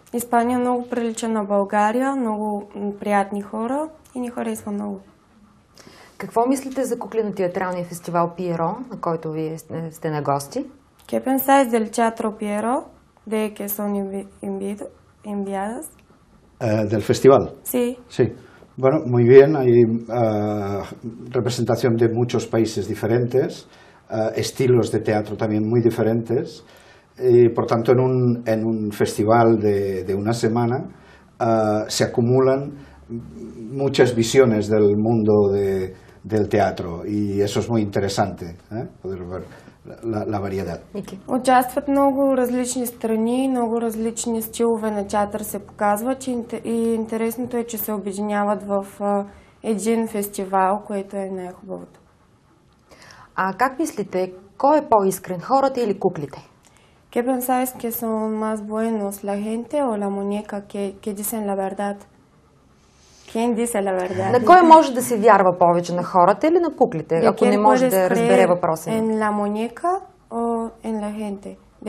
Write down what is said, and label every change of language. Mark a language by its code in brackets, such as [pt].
[bg] Испания много прилича на България, много приятни хора и ни харесва много. Какво мислите за куклено-театралния фестивал Пиеро, на който вие сте на гости? [es] ¿Qué pensáis del teatro Pierrot, de que son enviadas? Del festival? Sí. Sí. Bueno, muy bien, hay representación de muchos países diferentes, estilos de teatro también muy diferentes. Y por tanto, en un festival de una semana se acumulan muchas visiones del mundo del teatro y eso es muy interesante, poder ver la variedad. [bg] Участват много различни страни, много различни стилове на театър се показват и интересното е, че се обединяват в един фестивал, което е най-хубавото. А как мислите, кой е по-искрен, хората или куклите? [es] ¿Qué pensáis que son más buenos, la gente o la muñeca que dicen la verdad? ¿Quién dice la verdad? [bg] На кой може да се вярва повече, на хората или на куклите, ако не може да разбере въпроса? [es] ¿En la muñeca o en la gente?